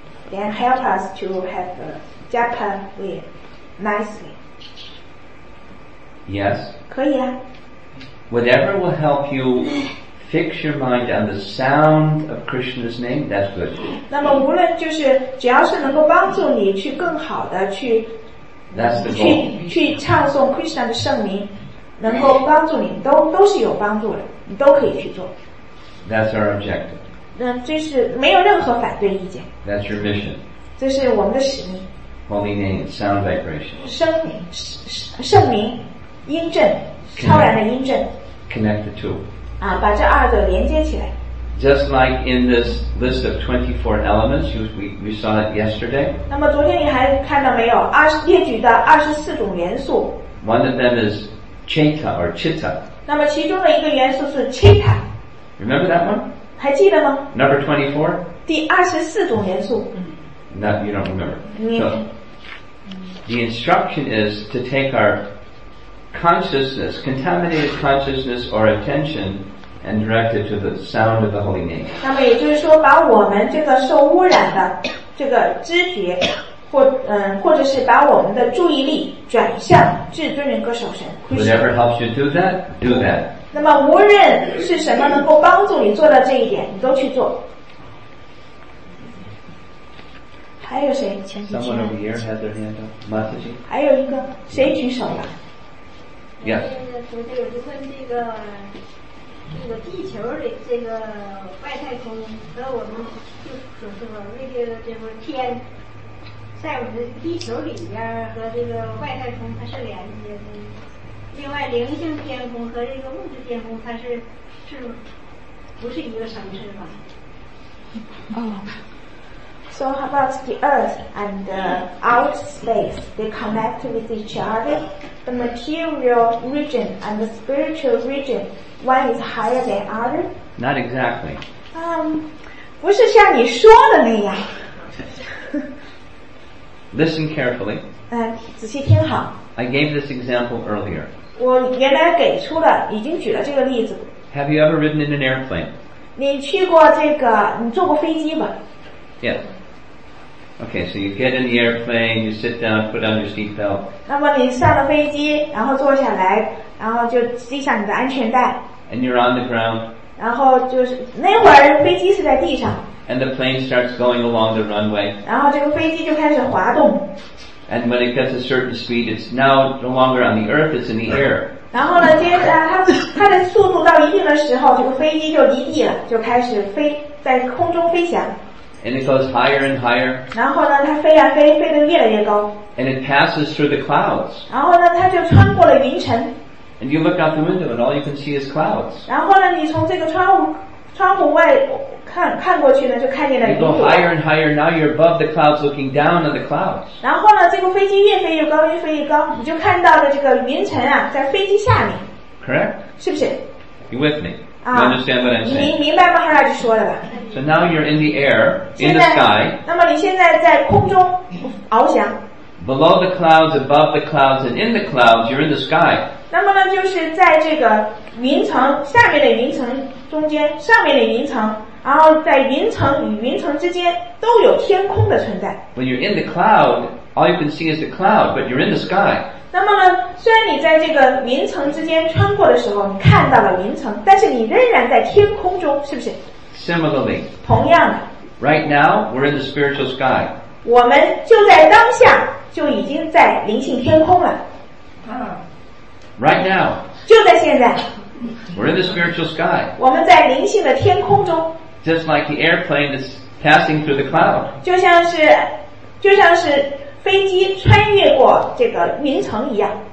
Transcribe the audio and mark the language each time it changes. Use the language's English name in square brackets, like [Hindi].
[English] Then help us to have the japa way nicely. Yes. [Chinese] 可以啊。 [English] Whatever will help you fix your mind on the sound of Krishna's name, that's good. [Chinese] 那么无论就是只要是能够帮助你去更好的去 [English] That's the goal. [Chinese] 去唱诵 Krishna 的圣名，能够帮助你，都是有帮助的，你都可以去做。 [English] That's our objective. [Chinese] 这是没有任何反对意见。 [English] That's your mission. [Chinese] 这是我们的使命。 [English] Holy name, sound vibration. [Chinese] 圣名，音振，超然的音振。 [English] Connect the two. [Chinese] 把这二者连接起来。 [English] Just like in this list of 24 elements, we saw it yesterday. [Chinese] 那么昨天你还看到没有？列举的二十四种元素。 [English] One of them is chitta or chitta. [Chinese] 那么其中的一个元素是 chitta. [English] Remember that one? [Chinese] 还记得吗 [English] ？Number 24. [Chinese] 第二十四种元素。 [English] No, you don't remember. So, the instruction is to take our consciousness, contaminated consciousness or attention. And directed to the sound of the holy name. [Chinese] 那么也就是说，把我们这个受污染的这个知觉，或者是把我们的注意力转向至尊人格首神。 [English] Whatever helps you do that, do that. [Chinese] 那么无论是什么能够帮助你做到这一点，你都去做。还有谁？ [English] Someone over here has their hand up. Masaji. [Chinese] 还有一个，谁举手了 [English] ？Yes. [Chinese] 这个地球里这个外太空和我们就所说的那个这个天在我们地球里边和这个外太空它是连接的另外灵性天空和这个物质天空它是不是一个城市吧 [English] So how about the Earth and the outer space? They connect with each other. The material region and the spiritual region, one is higher than other? Not exactly. [Chinese] 不是像你说的那样。 [English] Listen carefully. [Chinese] 仔细听好。 [English] I gave this example earlier. [Chinese] 我原来给出了，已经举了这个例子。 [English] Have you ever ridden in an airplane? [Chinese] 你去过这个，你坐过飞机吗？ [English] Yes. Okay, so you get in the airplane, you sit down, put on your seat belt. [Chinese] 那么你上了飞机，然后坐下来，然后就系上你的安全带。 [English] And you're on the ground. [Chinese] 然后就是那会儿飞机是在地上。 [English] And the plane starts going along the runway. [Chinese] 然后这个飞机就开始滑动。 [English] And when it gets a certain speed, it's now no longer on the earth, it's in the air. [Chinese] 然后呢，接着它的速度到一定的时候，这个飞机就离地了，就开始飞在空中飞翔。 [English] And it goes higher and higher. [Chinese] 然后呢，它飞呀飞，飞得越来越高。 [English] And it passes through the clouds. [Chinese] 然后呢，它就穿过了云层。 [English] And you look out the window, and all you can see is clouds. [Chinese] 然后呢，你从这个窗户外看过去呢，就看见了云朵。 [English] You go higher and higher. Now you're above the clouds, looking down on the clouds. [Chinese] 然后呢，这个飞机越飞越高，越飞越高，你就看到了这个云层啊，在飞机下面。 [English] Correct. [Chinese] 是不是 [English] ？You with me? You understand what I'm saying? [Chinese] 你明白吗？哈拉就说的吧。 [English] So now you're in the air, in the sky. [Chinese] 那么你现在在空中翱翔。 [English] Below the clouds, above the clouds, and in the clouds, you're in the sky. [Chinese] 那么呢，就是在这个云层下面的云层中间，上面的云层，然后在云层与云层之间都有天空的存在。 [English] When you're in the cloud, all you can see is the cloud, but you're in the sky. [Chinese] 那么呢虽然你在这个云层之间穿过的时候你看到了云层但是你仍然在天空中是不是 [English] Similarly [Chinese] 同样的 [English] Right now we're in the spiritual sky [Chinese] 我们就在当下就已经在灵性天空了。 [English] Right now. [Chinese] 就在现在。 [English] We're in the spiritual sky. [Chinese] 我们在灵性的天空中。 [English] Just like the airplane is passing through the cloud. [Chinese] 就像是飞机穿越过这个云层一样。